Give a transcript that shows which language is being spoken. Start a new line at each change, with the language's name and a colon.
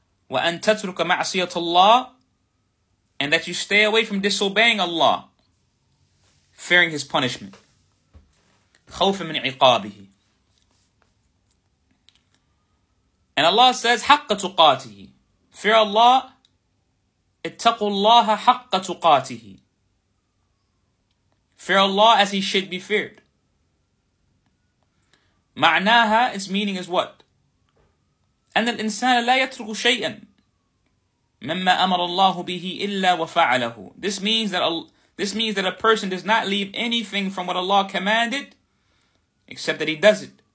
Arabic: وَأَن تَتْرُكَ مَعْصِيَةَ اللَّهِ.
English: And that you stay away from disobeying Allah, fearing His punishment.
Arabic: خَوْفٍ مِنْ عِقَابِهِ.
English: And Allah says,
Arabic: حَقَّ تُقَاتِهِ.
English: Fear Allah,
Arabic: اتَّقُوا اللَّهَ حَقَّ تُقَاتِهِ.
English: Fear Allah as He should be feared.
Arabic: مَعْنَاهَا,
English: its meaning is what?
Arabic: أَنَّ الْإِنسَانَ لَا يَتْرُكُ شَيْئًا مَمَّا أَمَرَ اللَّهُ بِهِ إِلَّا وَفَعَلَهُ.
English: This means that a person does not leave anything from what Allah commanded, except that he does it.